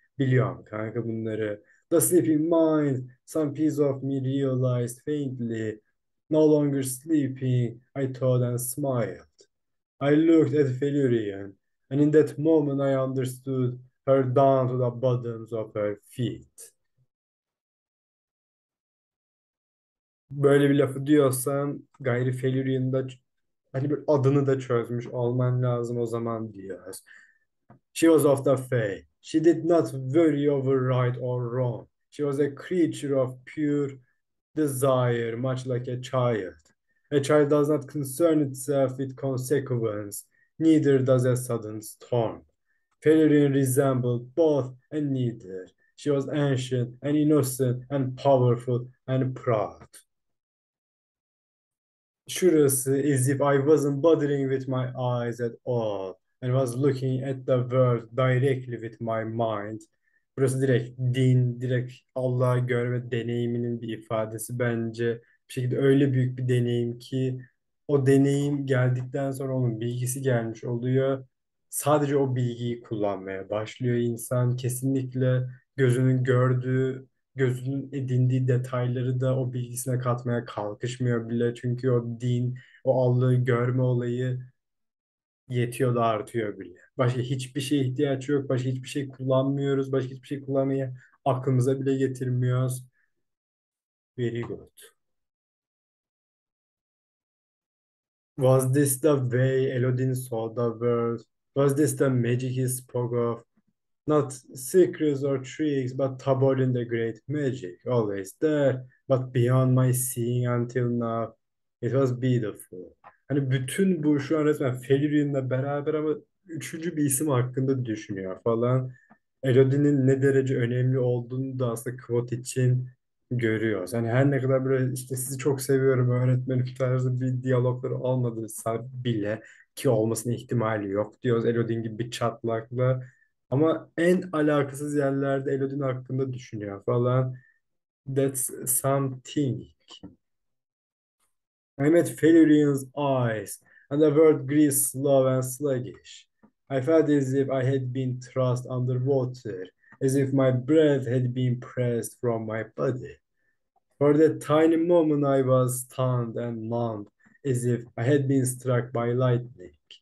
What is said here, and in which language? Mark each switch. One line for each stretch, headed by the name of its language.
Turkish: Biliyorum kanka bunları.
English: The sleeping mind, some piece of me realized faintly, no longer sleeping, I thought and smiled. I looked at Felurian, and in that moment I understood her down to the bottoms of her feet.
Turkish: Böyle bir lafı diyorsan Gayri Felurian'da hani bir adını da çözmüş olman lazım o zaman diyoruz.
English: She was of the Fae. She did not worry over right or wrong. She was a creature of pure desire, much like a child. A child does not concern itself with consequence, neither does a sudden storm. Felerion resembled both and neither. She was ancient and innocent and powerful and proud.
Turkish: Şurası
English: is if I wasn't bothering with my eyes at all and was looking at the world directly with my mind.
Turkish: Burası direkt din, direkt Allah'ı görme deneyiminin bir ifadesi bence. Bir şekilde öyle büyük bir deneyim ki o deneyim geldikten sonra onun bilgisi gelmiş oluyor. Sadece o bilgiyi kullanmaya başlıyor insan. Kesinlikle gözünün gördüğü, gözünün edindiği detayları da o bilgisine katmaya kalkışmıyor bile. Çünkü o din, o Allah'ı görme olayı yetiyor da artıyor bile. Başka hiçbir şeye ihtiyaç yok. Başka hiçbir şey kullanmıyoruz. Başka hiçbir şey kullanmayı aklımıza bile getirmiyoruz.
English: Very good. Was this the way Elodin saw the world? Was this the magic he spoke of? Not secrets or tricks, but tabor in the great magic. Always there, but beyond my seeing until now, it was beautiful.
Turkish: Hani bütün bu şu an resmen Felirin'le beraber ama üçüncü bir isim hakkında düşünüyor falan. Elodie'nin ne derece önemli olduğunu da aslında Kvot için görüyoruz. Hani her ne kadar böyle işte sizi çok seviyorum öğretmenim tarzı bir diyalogları olmadıysa bile ki olmasının ihtimali yok diyoruz Elodie gibi bir çatlakla. Ama en alakasız yerlerde Elodie hakkında düşünüyor falan.
English: That's something. I met Felurian's eyes and the world grew slow and sluggish. I felt as if I had been thrust underwater, as if my breath had been pressed from my body. For that tiny moment I was stunned and numb, as if I had been struck by lightning.